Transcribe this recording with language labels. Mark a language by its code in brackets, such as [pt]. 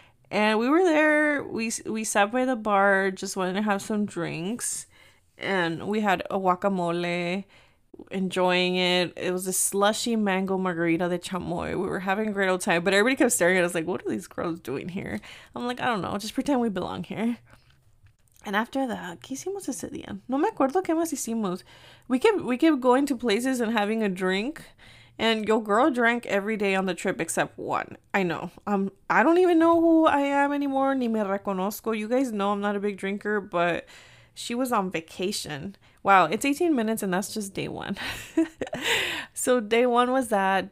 [en] And we were there. We sat by the bar, just wanted to have some drinks. And we had a guacamole, enjoying it. It was a slushy mango margarita de chamoy. We were having a great old time. But everybody kept staring at us like, what are these girls doing here? I'm like, I don't know. Just pretend we belong here. And after that, [es] ¿qué hicimos ese día? No me acuerdo qué más hicimos. [en] We kept going to places and having a drink. And your girl drank every day on the trip except one. I know. I don't even know who I am anymore. [es] Ni me reconozco. [en] You guys know I'm not a big drinker, but she was on vacation. Wow, it's 18 minutes and that's just day one. So day one was that.